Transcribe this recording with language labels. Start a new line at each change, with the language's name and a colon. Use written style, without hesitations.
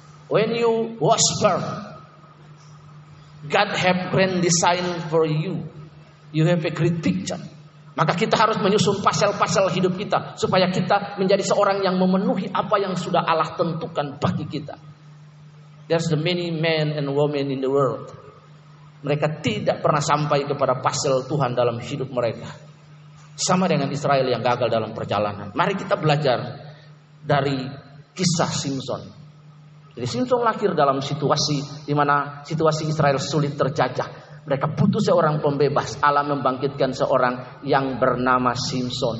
English: When you was born, God have grand design for you. You have a great picture.
Indonesian: Maka kita harus menyusun pasal-pasal hidup kita supaya kita menjadi seorang yang memenuhi apa yang sudah Allah tentukan bagi kita.
English: There's the many men and women in the world.
Indonesian: Mereka tidak pernah sampai kepada pasal Tuhan dalam hidup mereka. Sama dengan Israel yang gagal dalam perjalanan. Mari kita belajar dari kisah Simpson. Jadi Simpson lahir dalam situasi di mana situasi Israel sulit terjajah. Mereka butuh seorang pembebas. Allah membangkitkan seorang yang bernama Simpson.